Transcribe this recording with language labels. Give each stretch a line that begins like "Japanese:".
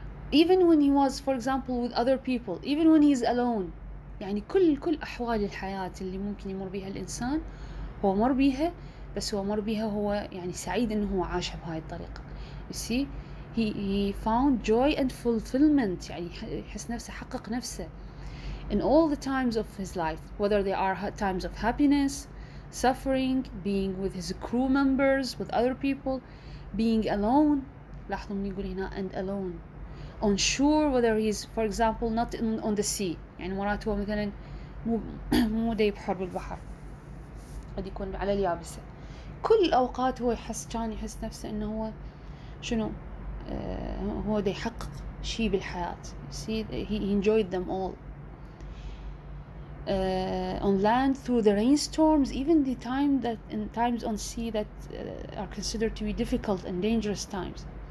English: Even when he was, for example, with other people, even when he's alone.
Arabic: يعني كل أحوال الحياة اللي ممكن يمر بها الإنسان هو مر بها، بس هو مر بها هو يعني سعيد إنه هو عاش بهاي الطريقة.
English: You see, he found joy and fulfillment.
Arabic: يعني يحس نفسه حقق نفسه
English: in all the times of his life, whether they are times of happiness, suffering, being with his crew members, with other people, being alone.
Arabic: لاحظوا من يقول هنا
English: and alone. On shore, whether he's, for example, not in, on the sea.
Arabic: يعني مرات هو مثلا مو داي بحر بالبحر، قد يكون على اليابسة. كل أوقات هو يحس، كان يحس نفسه إنه هو شنو، هو داي يحقق شيء بالحياة.
English: See, he enjoyed them all. On land, through the rainstorms, even the time that in times on sea that are considered to be difficult and dangerous times.